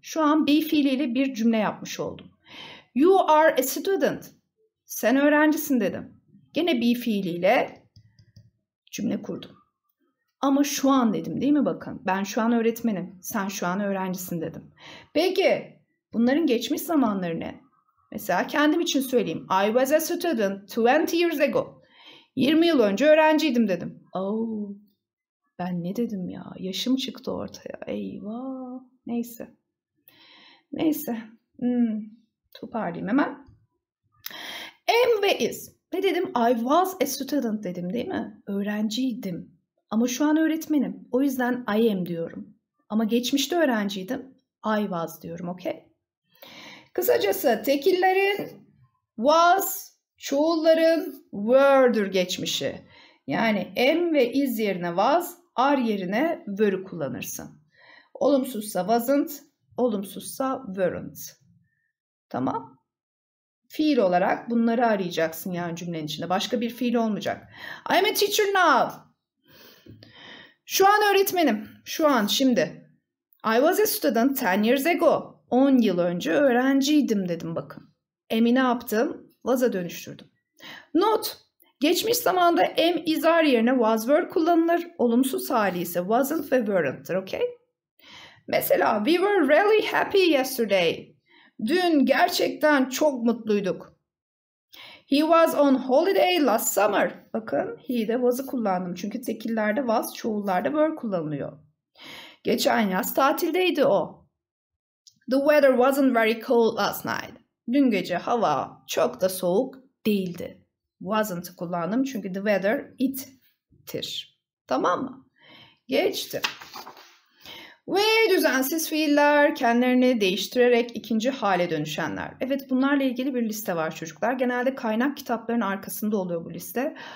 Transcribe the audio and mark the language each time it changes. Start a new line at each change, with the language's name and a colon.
Turkish: Şu an be fiiliyle bir cümle yapmış oldum.
English: You are a student.
Turkish: Sen öğrencisin dedim. Gene be fiiliyle cümle kurdum. Ama şu an dedim değil mi bakın? Ben şu an öğretmenim, sen şu an öğrencisin dedim. Peki bunların geçmiş zamanları ne? Mesela kendim için söyleyeyim.
English: I was a student 20 years ago.
Turkish: 20 yıl önce öğrenciydim dedim. Oh, ben ne dedim ya? Yaşım çıktı ortaya. Eyvah. Neyse. Neyse. Toparlayayım hemen. Am ve is. Ne dedim?
English: I was a student
Turkish: dedim değil mi? Öğrenciydim. Ama şu an öğretmenim. O yüzden I am diyorum. Ama geçmişte öğrenciydim.
English: I was
Turkish: diyorum. Okay. Kısacası tekillerin was, çoğulların were'dür geçmişi. Yani am ve is yerine was, are yerine were'ü kullanırsın. Olumsuzsa wasn't, olumsuzsa weren't. Tamam. Fiil olarak bunları arayacaksın yani cümlenin içinde. Başka bir fiil olmayacak.
English: I am a teacher now.
Turkish: Şu an öğretmenim. Şu an, şimdi.
English: I was a student 10 years ago.
Turkish: 10 yıl önce öğrenciydim dedim bakın. Am'i ne yaptım? Was'a dönüştürdüm. Note. Geçmiş zamanda am is are yerine was were kullanılır. Olumsuz hali ise wasn't ve weren't'tir, okay? Mesela
English: we were really happy yesterday.
Turkish: Dün gerçekten çok mutluyduk.
English: He was on holiday last summer.
Turkish: Bakın he de was'ı kullandım. Çünkü tekillerde was, çoğullarda were kullanılıyor. Geçen yaz tatildeydi o.
English: The weather wasn't very cold last night.
Turkish: Dün gece hava çok da soğuk değildi. Wasn't'ı kullandım çünkü the weather it'tir. Tamam mı? Geçti. Ve düzensiz fiiller, kendilerini değiştirerek ikinci hale dönüşenler. Evet, bunlarla ilgili bir liste var çocuklar. Genelde kaynak kitapların arkasında oluyor bu liste.